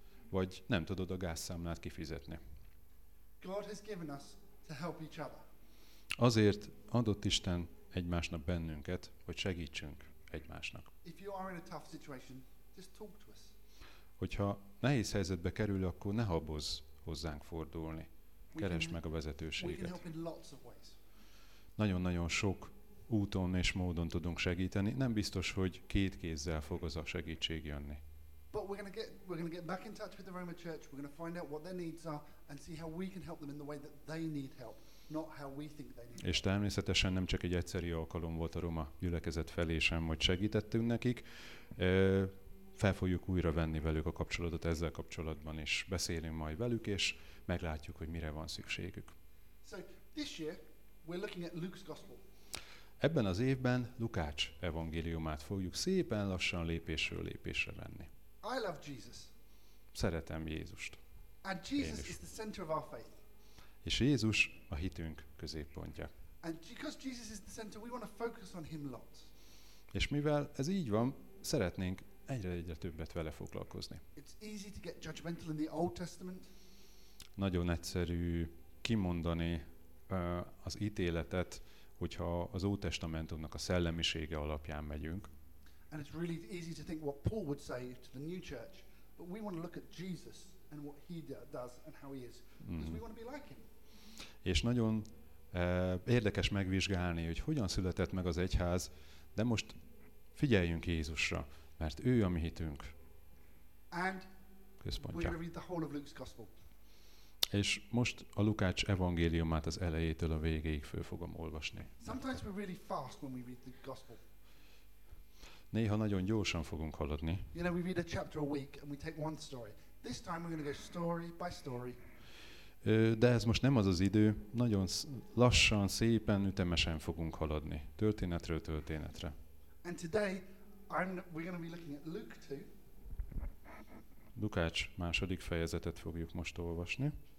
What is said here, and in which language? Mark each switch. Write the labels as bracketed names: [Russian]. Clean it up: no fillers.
[Hungarian] Vagy nem tudod a gázszámlát kifizetni. [English] God has given us to help each other. [Hungarian] Azért adott Isten egymásnak bennünket, hogy segítsünk egymásnak. [English] If you are in a tough situation, just talk to us. [Hungarian] Hogyha nehéz helyzetbe kerül, akkor ne habozz hozzánk fordulni. Keresd meg a vezetőséget. [English] We can help in lots of ways. [Hungarian] Nagyon-nagyon sok úton és módon tudunk segíteni. Nem biztos, hogy két kézzel fog az a segítség jönni. [English] But we're going to get back in touch with the Rhema Church. We're going to find out what their needs are and see how we can help them in the way that they need help, not how we think they need help. [Hungarian] És természetesen nem csak egy egyszeri alkalom volt a Roma gyülekezet felé sem, hogy segítettünk nekik. Fel fogjuk újra venni velük a kapcsolatot ezzel kapcsolatban is. Beszélünk majd velük, és meglátjuk, hogy mire van szükségük. [English] So this year we're looking at Luke's gospel. [Hungarian] Ebben az évben Lukács evangéliumát fogjuk szépen lassan lépésről lépésre venni. [English] I love Jesus. [Hungarian] Szeretem Jézust. [English] And Jesus is the center of our faith. [Hungarian] És Jézus a hitünk középpontja. [English] And because Jesus is the center, we want to focus on him lots. [Hungarian] És mivel ez így van, szeretnénk egyre-egyre többet vele foglalkozni. [English] It's easy to get judgmental in the Old Testament. [Hungarian] Nagyon egyszerű kimondani az ítéletet, hogyha az Ótestamentumnak a szellemisége alapján megyünk. [English] And it's really easy to think what Paul would say to the new church, but we want to look at Jesus and what he does and how he is, because we want to be like him. [Hungarian] És nagyon érdekes megvizsgálni, hogy hogyan született meg az egyház, de most figyeljünk Jézusra, mert ő a mi hitünk [English] and [Hungarian] központja. [English] We read the whole of Luke's gospel. [Hungarian] És most a Lukács evangéliumát az elejétől a végéig föl fogom olvasni. [English] Sometimes we're really fast when we read the gospel. [Hungarian] Néha nagyon gyorsan fogunk haladni. [English] You know, we read a chapter a week and we take one story. This time we're going to go story by story. [Hungarian] De ez most nem az az idő, nagyon lassan, szépen, ütemesen fogunk haladni. Történetről történetre. [English] And today we're going to be looking at Luke 2. [Hungarian] Lukács második fejezetet fogjuk most olvasni.